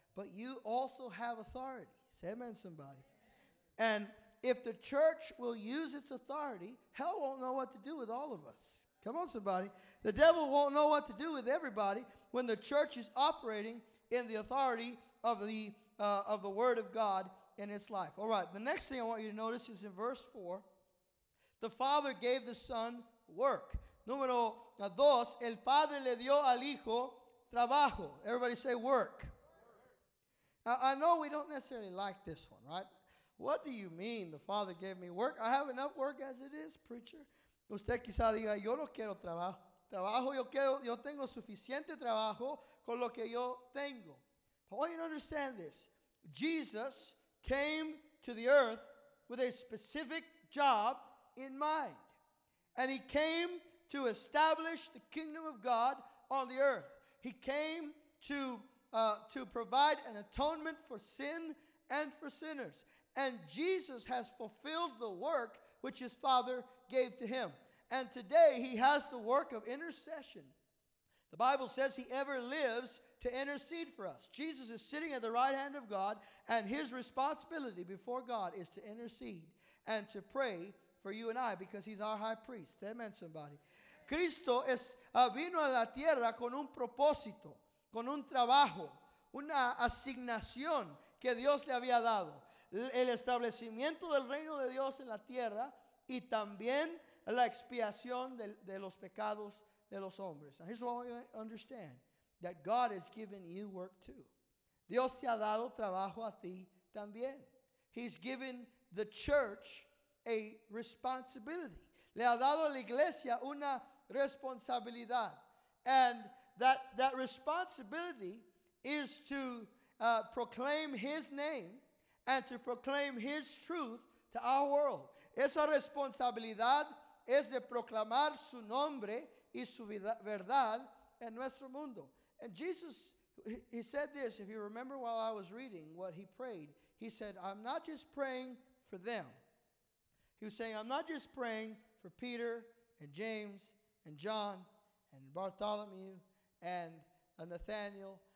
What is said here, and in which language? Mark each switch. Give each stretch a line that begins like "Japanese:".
English: But you also have authority. Say amen, somebody. And if the church will use its authority, hell won't know what to do with all of us. Come on, somebody. The devil won't know what to do with everybody when the church is operating in the authority of the word of God in its life. All right, the next thing I want you to notice is in verse 4, the Father gave the Son work.
Spanish: Número dos, el Padre le dio al Hijo trabajo.
English: Everybody say work. Now, I know we don't necessarily like this one, right? What do you mean the Father gave me work? I have enough work as it is, preacher.
Spanish: Usted quizá diga, yo no quiero trabajo. Trabajo yo quiero, yo tengo suficiente trabajo con lo que yo tengo.
English: I want you to understand this. Jesus came to the earth with a specific job in mind. And he came to establish the kingdom of God on the earth. He came to provide an atonement for sin and for sinners. And Jesus has fulfilled the work which his Father gave to him. And today he has the work of intercession. The Bible says he ever lives to intercede for us. Jesus is sitting at the right hand of God, and his responsibility before God is to intercede and to pray for you and I because he's our high priest. Amen, somebody.
Spanish: Cristo es, vino a la tierra con un propósito, con un trabajo, una asignación que Dios le había dado. El establecimiento del reino de Dios en la tierra y también la expiación de los pecados de los hombres.
English: Now here's what I want you to understand, that God has given you work too.
Spanish: Dios te ha dado trabajo a ti también.
English: He's given the church a responsibility.
Spanish: Le ha dado a la iglesia una responsabilidad.
English: And that responsibility is to proclaim his name and to proclaim his truth to our world.
Spanish: Esa responsabilidad es de proclamar su nombre y su verdad en nuestro mundo.
English: And Jesus, he said this, if you remember while I was reading what he prayed, he said, I'm not just praying for them. He was saying, I'm not just praying for Peter and James and John and Bartholomew and Nathaniel.